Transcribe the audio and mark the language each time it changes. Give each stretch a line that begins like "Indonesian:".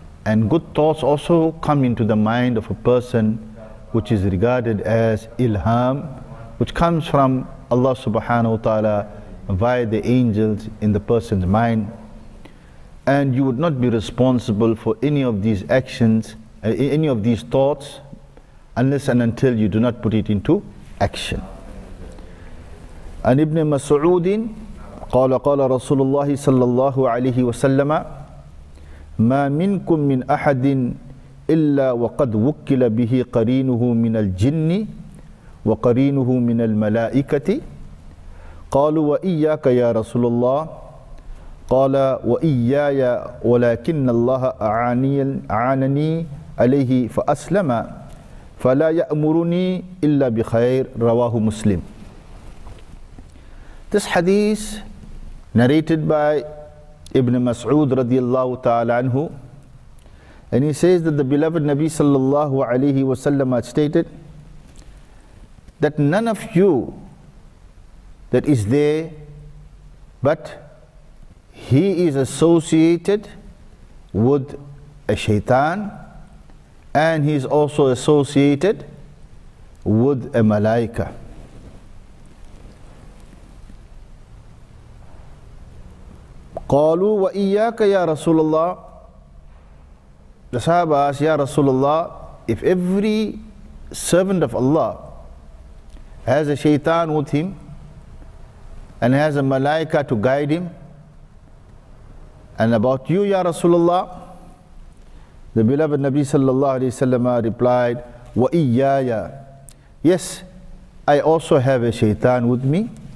English: And good thoughts also come into the mind of a person, which is regarded as ilham, which comes from Allah subhanahu wa ta'ala via the angels in the person's mind. And you would not be responsible for any of these actions, any of these thoughts, unless and until you do not put it into action.
Arabic: And Ibn Mas'ud, قال رسول الله صلى الله عليه وسلم ما منكم من أحد إلا وقد وكل به قرينه من الجن وقرينه من الملائكة قالوا وإياك يا رسول الله قال وإياي ولكن الله أعانني عليه فأسلم فلا يأمرني إلا بخير رواه مسلم.
English: This hadith narrated by Ibn Mas'ud radiallahu ta'ala anhu, and he says that the beloved Nabi sallallahu alayhi wa sallam had stated that none of you that is there, but he is associated with a shaitan, and he is also associated with a malaika.
Arabic: قالوا وإياك يا رسول الله.
English: The Sahaba asked, Ya Rasulullah, if every servant of Allah has a shaitan with him and has a malaika to guide him, and about you, Ya Rasulullah, the beloved Nabi sallallahu alayhi wa sallam replied,
Arabic: وَإِيَّايَا,
English: yes, I also have a shaitan with me.